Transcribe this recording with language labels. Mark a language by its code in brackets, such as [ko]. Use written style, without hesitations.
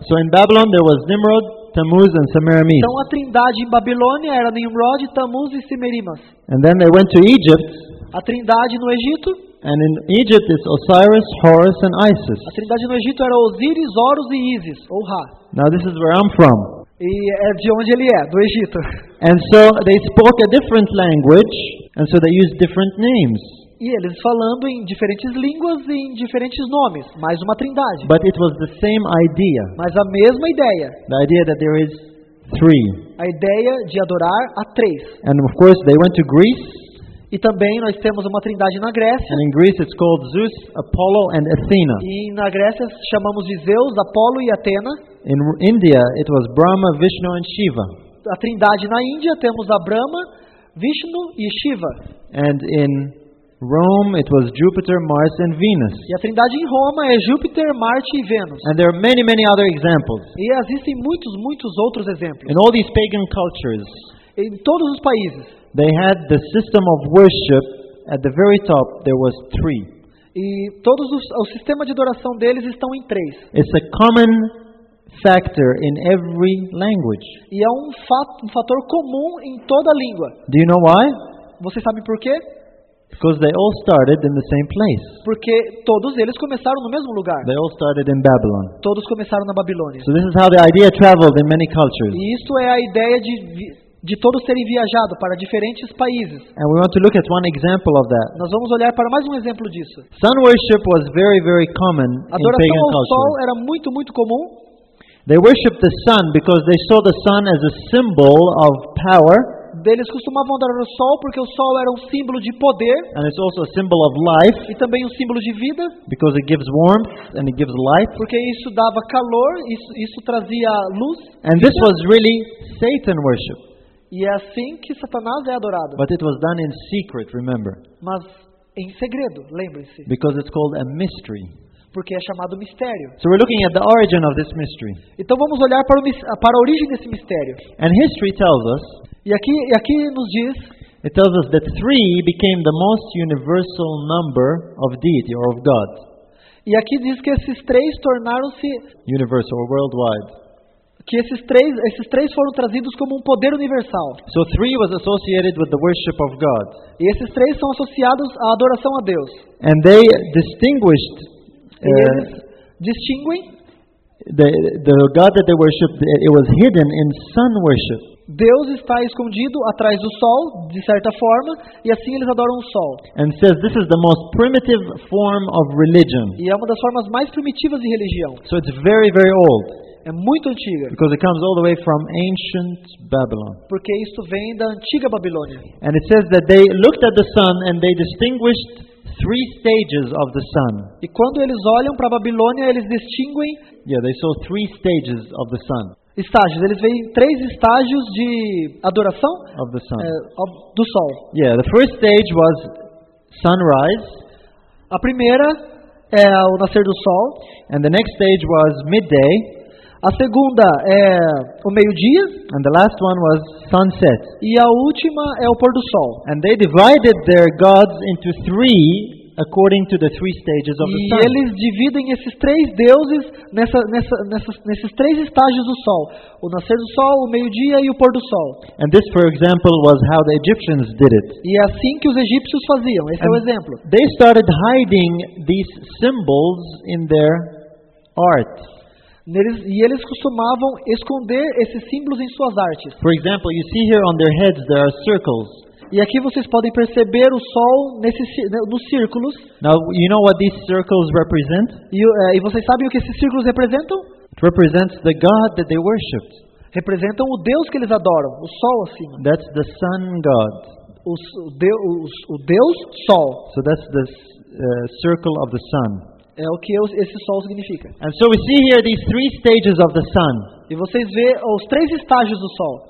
[en] So in Babylon there was Nimrod, Tammuz and Semiramis. [pt] Então a trindade em Babilônia era Nimrod, Tammuz e Semiramis. [en] And then they went to Egypt. [pt] A trindade no Egito. [en] And in Egypt it's Osiris, Horus and Isis. [pt] A trindade no Egito era Osíris, Horus e Ísis, ou Ra. [en] Now this is where I'm from. [pt] E é de onde ele é, do Egito. [en] And so they spoke a different language and so they used different names. [pt] E eles falando em diferentes línguas e em diferentes nomes, mais uma trindade. [en] But it was the same idea. [pt] Mas a mesma ideia. [en] The idea that there is three. [pt] A ideia de adorar a três. [en] And of course they went to Greece. [pt] E também nós temos uma trindade na Grécia. [en] And in Greece it's called Zeus, Apollo and Athena. [pt] E na Grécia chamamos de Zeus, Apolo e Atena. [en] In India it was Brahma, Vishnu and Shiva. [pt] A trindade na Índia temos a Brahma, Vishnu e Shiva. [en] And in Rome, it was Jupiter, Mars, and Venus. [pt] E a trindade em Roma é Júpiter, Marte e Vênus. [en] And there are many, many other examples. [pt] E existem muitos, muitos outros exemplos. [en] In all these pagan cultures, [pt] em todos os países, [en] they had the system of worship at the very top. There was three. [pt] E todos o sistema de adoração deles estão em três. [en] It's a common factor in every language. [pt] E é um fator comum em toda a língua. [en] Do you know why? [pt] Você sabe por quê? [en] Because they all started in the same place. [pt] Porque todos eles começaram no mesmo lugar. [en] They all started in Babylon. [pt] Todos começaram na Babilônia. [en] So this is how the idea traveled in many cultures. [pt] E isso é a ideia de todos terem viajado para diferentes países. [en] And we want to look at one example of that. [pt] Nós vamos olhar para mais um exemplo disso. [en] Sun worship was very, very common in pagan culture. [pt] Adoração ao sol era muito, muito comum. [en] They worshipped the sun because they saw the sun as a symbol of power. [pt] Eles costumavam adorar o sol porque o sol era um símbolo de poder. [en] And it's also a symbol of life. [pt] E também um símbolo de vida. [en] Because it gives warmth and it gives light. [pt] Porque isso dava calor, isso trazia luz. [en] And this was really Satan worship. [pt] E é assim que Satanás é adorado. [en] But it was done in secret, remember. [pt] Mas em segredo, lembre-se. [en] Because it's called a mystery. [pt] Porque é chamado mistério. [en] So we're looking at the origin of this mystery. [pt] Então vamos olhar para a origem desse mistério. [en] And history tells us. [pt] E aqui nos diz. [en] It tells us that three became the most universal number of deity or of God. [pt] E aqui diz que esses três tornaram-se [en] universal or worldwide. [pt] Que esses três foram trazidos como um poder universal. [en] So three was associated with the worship of God. [pt] E esses três são associados à adoração a Deus. [en] And they distinguished. [pt] Distinguem [en] the God that they worshipped, it was hidden in sun worship. [pt] Deus está escondido atrás do sol, de certa forma, e assim eles adoram o sol. [en] And says this is the most primitive form of religion. [pt] E é uma das formas mais primitivas de religião. [en] So it's very, very old. [pt] É muito antiga. [en] Because it comes all the way from ancient Babylon. [pt] Porque isso vem da antiga Babilônia. [en] And it says that they looked at the sun and they distinguished three stages of the sun. [pt] E quando eles olham para a Babilônia, eles distinguem. [en] Yeah, they saw three stages of the sun. [pt] Estágios. Eles veem três estágios de adoração [en] of the sun. [pt] Do sol. [en] Yeah, the first stage was sunrise. [pt] A primeira é o nascer do sol. [en] And the next stage was midday. [pt] A segunda é o meio-dia. [en] And the last one was sunset. [pt] E a última é o pôr do sol. [en] And they divided their gods into three according to the three stages of the sun. [pt] E eles dividem esses três deuses nesses três estágios do sol: o nascer do sol, o meio-dia e o pôr do sol. [en] And this, for example, was how the Egyptians did it. [pt] E é assim que os egípcios faziam. Esse é o exemplo. [en] They started hiding these symbols in their art. [pt] Eles costumavam esconder esses símbolos em suas artes. [en] For example, you see here on their heads there are circles. [pt] E aqui vocês podem perceber o sol nos círculos. [en] Now, you know what these circles represent? [pt] E vocês sabem o que esses círculos representam? [en] It represents the god that they worshiped. [pt] Representam o deus que eles adoram, o sol acima. [en] That's the sun god. [pt] O deus sol. [en] So that's the circle of the sun. [pt] É o que esse sol significa. [en] And so we see here these three stages of the sun. [pt] E vocês vê os três estágios do sol.